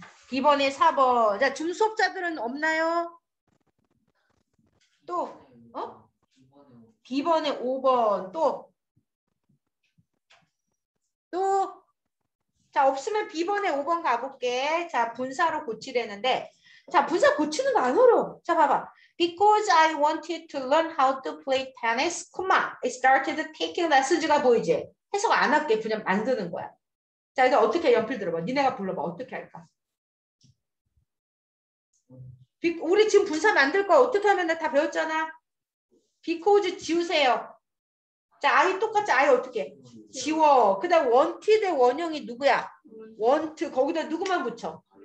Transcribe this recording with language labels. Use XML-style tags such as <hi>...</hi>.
<ko>B번에 4번. 자, 줌 수업자들은 없나요? 또, 어? B번에 5번. 또. 자, 없으면 B번에 5번 가볼게. 자, 분사로 고치려는데. 자, 분사 고치는 거 안 어려워. 자, 봐봐.</ko> <en>Because I wanted to learn how to play tennis, I started taking lessons가</en> <ko>보이지? 해석 안 할게. 그냥 만드는 거야. 자, 이거 어떻게 연필 들어봐. 니네가 불러봐. 어떻게 할까? 우리 지금 분사 만들 거 어떻게 하면 다 배웠잖아.</ko> <en>Because</en> <ko>지우세요. 자, I 똑같이 I 어떻게 지워. 그 다음</ko> <en>wanted</en> <ko>의 원형이 누구야?</ko> <en>Want.</en> <ko>거기다 누구만 붙여?</ko>